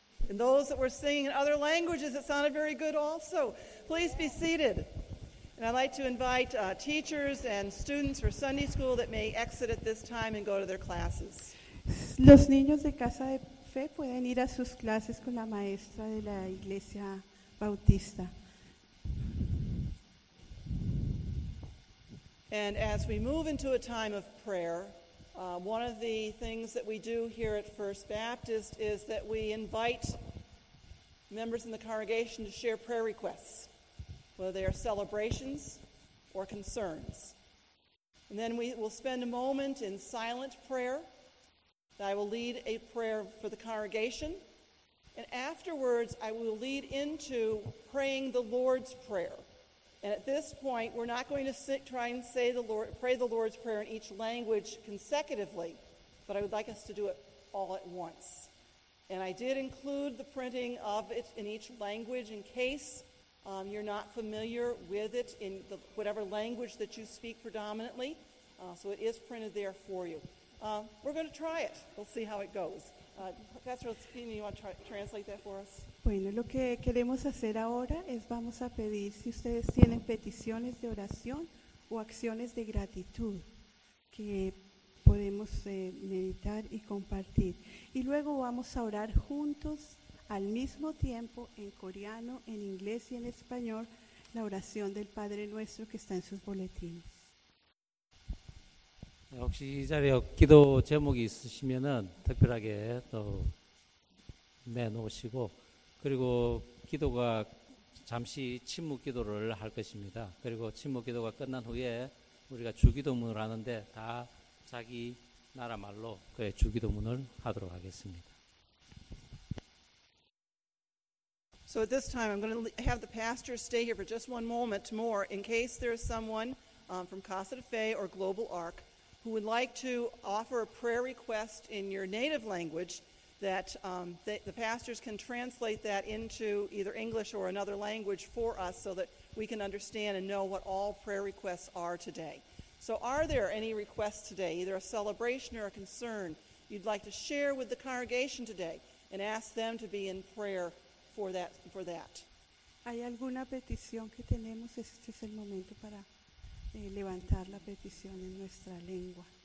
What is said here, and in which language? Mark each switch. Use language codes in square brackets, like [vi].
[en] And those that were singing in other languages, it sounded very good also. Please be seated. And I'd like to invite teachers and students for Sunday school that may exit at this time and go to their classes. [es] Los niños de Casa de Fe pueden ir a sus clases con la maestra de la Iglesia Bautista. [en] And as we move into a time of prayer, one of the things that we do here at First Baptist is that we invite members in the congregation to share prayer requests, whether they are celebrations or concerns. And then we will spend a moment in silent prayer. I will lead a prayer for the congregation. And afterwards, I will lead into praying the Lord's Prayer. And at this point, we're not going to try and say the Lord, pray the Lord's Prayer in each language consecutively. but I would like us to do it all at once. And I did include the printing of it in each language in case you're not familiar with it in the, whatever language that you speak predominantly. So it is printed there for you. We're going to try it. We'll see how it goes. Professor Ospina, you want to translate that for us? [es] Bueno, lo que queremos hacer ahora es vamos a pedir si ustedes tienen peticiones de oración o acciones de gratitud que podemos meditar y compartir. Y luego vamos a orar juntos al mismo tiempo en coreano, en inglés y en español la oración del Padre Nuestro que está en sus boletines. [ko] 혹시 이 자리에 기도 제목이 있으시면은 특별하게 또 내놓으시고 그리고 기도가 잠시 침묵 기도를 할 것입니다. 그리고 침묵 기도가 끝난 후에 우리가 주기도문을 하는데 다 자기 나라 말로 그의 주기도문을 하도록 하겠습니다. [en] So at this time I'm going to have the pastor stay here for just one moment more in case there is someone from Casa de Fe or Global Ark who would like to offer a prayer request in your native language that the pastors can translate that into either English or another language for us so that we can understand and know what all prayer requests are today. So are there any requests today, either a celebration or a concern, you'd like to share with the congregation today and ask them to be in prayer for that? [es] ¿Hay alguna petición que tenemos? Este es el momento para levantar la petición en nuestra lengua.